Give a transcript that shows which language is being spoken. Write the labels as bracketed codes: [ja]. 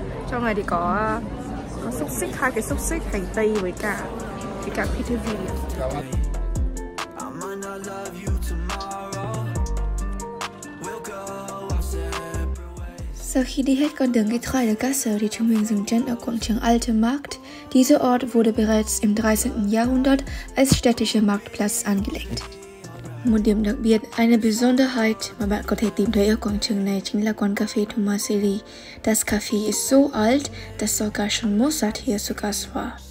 [vi] Trong này thì có xúc xích, hai cái xúc xích, hành tây với cả Peter V. Sau khi đi hết con đường Getreidegasse thì chúng mình dừng chân ở quảng trường Alte Markt. [de] Dieser Ort wurde bereits im 13. Jahrhundert als städtischer Marktplatz angelegt. [vi] Một điểm đặc biệt, [de] eine Besonderheit [vi] mà bạn có thể tìm thấy ở quảng trường này chính là quán cà phê Tomaselli. [de] Das Café ist so alt, dass sogar schon Mozart hier zu Gast war.